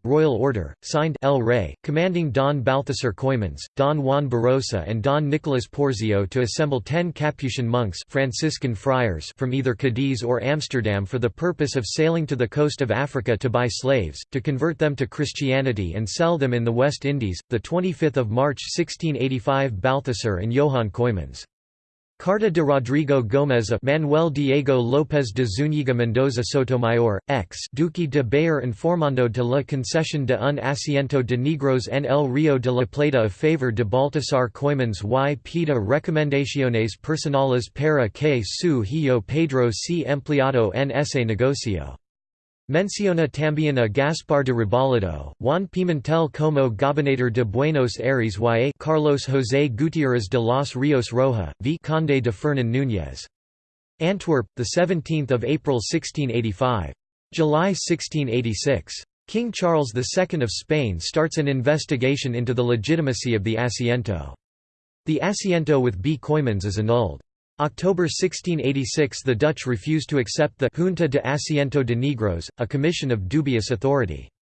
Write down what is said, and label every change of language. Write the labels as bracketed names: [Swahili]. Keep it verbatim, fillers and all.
[English] Royal Order, signed El Rey, commanding Don Balthasar Coimans, Don Juan Barossa and Don Nicolas Porzio to assemble ten Capuchin monks Franciscan friars from either Cadiz or Amsterdam for the purpose of sailing to the coast of Africa to buy slaves, to convert them to Christianity and sell them in the West Indies. the twenty-fifth of March sixteen eighty-five, Balthasar and Johan Coimans. [Spanish] Carta de Rodrigo Gómez a Manuel Diego López de Zúñiga Mendoza Sotomayor, ex Duque de Béjar informando de la concesión de un asiento de negros en el Río de la Plata a favor de Baltasar Coimans y pida recomendaciones personales para que su hijo Pedro sea empleado en ese negocio. Menciona también a Gaspar de Rebolledo, Juan Pimentel como Gobernador de Buenos Aires y a Carlos José Gutiérrez de los Ríos Roja, v. Conde de Fernán Núñez. [English] Antwerp, the seventeenth of April sixteen eighty-five. July sixteen eighty-six. King Charles the Second of Spain starts an investigation into the legitimacy of the Asiento. The Asiento with B. Coimans is annulled. October sixteen eighty-six, the Dutch refused to accept the Junta de Asiento de Negros, a commission of dubious authority.